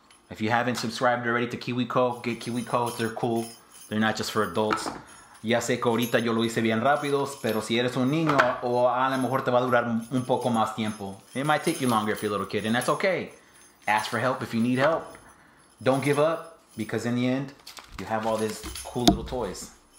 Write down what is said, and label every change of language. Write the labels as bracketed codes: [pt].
[en] If you haven't subscribed already to KiwiCo, get KiwiCo. They're cool. They're not just for adults. [es] Ya sé que ahorita yo lo hice bien rápido, pero si eres un niño, o a lo mejor te va a durar un poco más tiempo. [en] It might take you longer if you're a little kid, and that's okay. Ask for help if you need help. Don't give up. Because in the end, you have all these cool little toys.